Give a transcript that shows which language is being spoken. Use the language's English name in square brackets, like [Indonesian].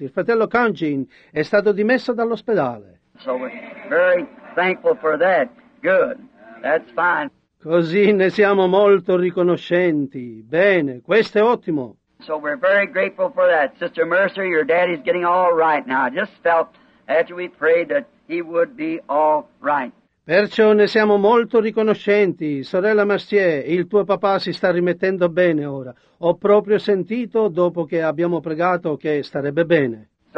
[Italian] Il fratello Cangin è stato dimesso dall'ospedale. [English] So we're very thankful for that. Good. That's fine. [Italian] Così ne siamo molto riconoscenti. Bene, questo è ottimo. [English] So we're very grateful for that. Sister Mercer, your daddy's getting all right now. I just felt after we prayed that he would be all right. [Italian] Perciò ne siamo molto riconoscenti. Sorella Mercier, il tuo papà si sta rimettendo bene ora. Ho proprio sentito, dopo che abbiamo pregato, che starebbe bene.